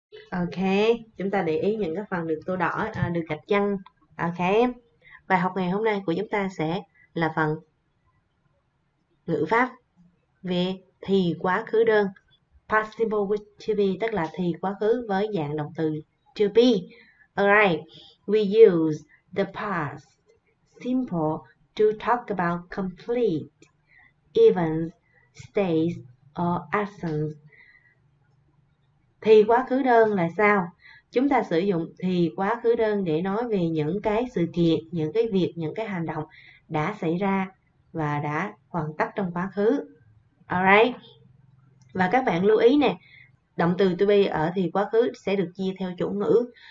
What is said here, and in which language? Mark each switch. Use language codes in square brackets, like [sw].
[vi] Okay, chúng ta để ý những cái phần được tô đỏ, được gạch chân. Ok em, bài học ngày hôm nay của chúng ta sẽ là phần ngữ pháp về thì quá khứ đơn. [en] Past simple with to be, [vi] tức là thì quá khứ với dạng động từ to be. [en] Alright, we use the past simple to talk about complete events, states or actions. [vi] Thì quá khứ đơn là sao? Chúng ta sử dụng thì quá khứ đơn để nói về những cái sự kiện, những cái việc, những cái hành động đã xảy ra và đã hoàn tất trong quá khứ. Alright. Và các bạn lưu ý nè, động từ to be ở thì quá khứ sẽ được chia theo chủ ngữ.